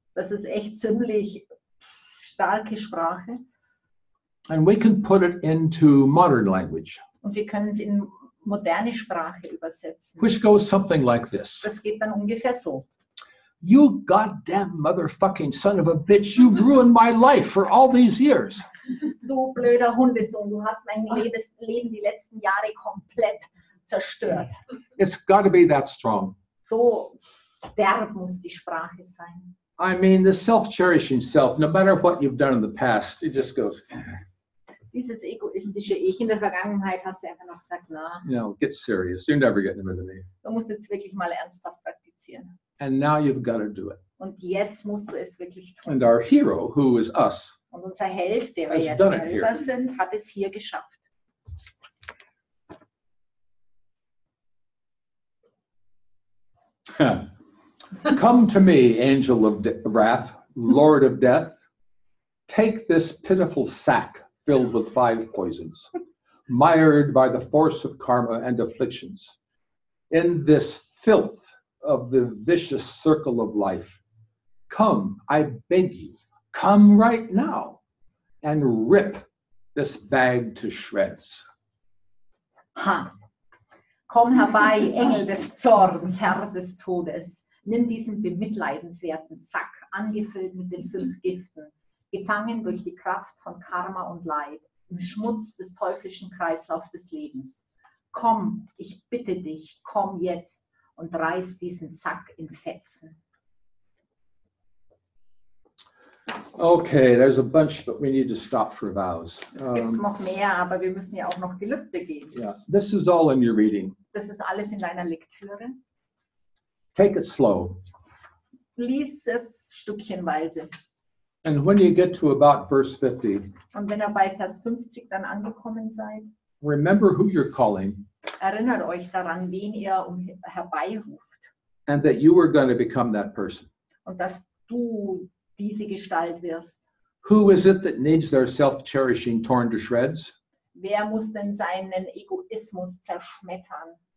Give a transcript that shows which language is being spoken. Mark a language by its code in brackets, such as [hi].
[de] Das ist echt ziemlich starke Sprache. [en] And we can put it into modern language. [de] Und wir können es in moderne Sprache übersetzen. [en] Which goes something like this. [de] Das geht dann ungefähr so. [en] You goddamn motherfucking son of a bitch, you've ruined my life for all these years. [de] Du blöder Hundesohn, du hast mein Leben die letzten Jahre komplett zerstört. [en] It's got to be that strong. [de] So derb muss die Sprache sein. [en] I mean, the self-cherishing self, no matter what you've done in the past, it just goes... [de] Dieses egoistische Ich in der Vergangenheit hast du einfach noch gesagt, na. [en] No, get serious. You're never getting rid of me. [de] Du musst jetzt wirklich mal ernsthaft praktizieren. [en] And now you've got to do it. [de] Und jetzt musst du es wirklich tun. [en] And our hero, who is us, [de] und unser Held, der wir jetzt selber sind, hat es hier geschafft. [en] Come to me, angel of wrath, lord of death. Take this pitiful sack. Filled with 5 poisons, mired by the force of karma and afflictions. In this filth of the vicious circle of life, come, I beg you, come right now and rip this bag to shreds. Ha! [de] Komm herbei, Engel des Zorns, Herr des Todes. Nimm diesen bemitleidenswerten Sack, angefüllt mit den 5 Giften. Gefangen durch die Kraft von Karma und Leid, im Schmutz des teuflischen Kreislaufs des Lebens. Komm, ich bitte dich, komm jetzt und reiß diesen Sack in Fetzen. [en] Okay, there's a bunch, but we need to stop for vows. [de] Es gibt noch mehr, aber wir müssen ja auch noch Gelübde geben. [en] Yeah, this is all in your reading. [de] Das ist alles in deiner Lektüre. [en] Take it slow. [de] Lies es stückchenweise. [en] And when you get to about verse 50, [de] und wenn ihr bei Vers 50 dann angekommen seid, [en] remember who you're calling. [de] Erinnert euch daran, wen ihr herbeiruft. [en] And that you are going to become that person. [de] und dass du diese Gestalt wirst. [en] Who is it that needs their self-cherishing torn to shreds? [de] Wer muss denn seinen Egoismus zerschmettern?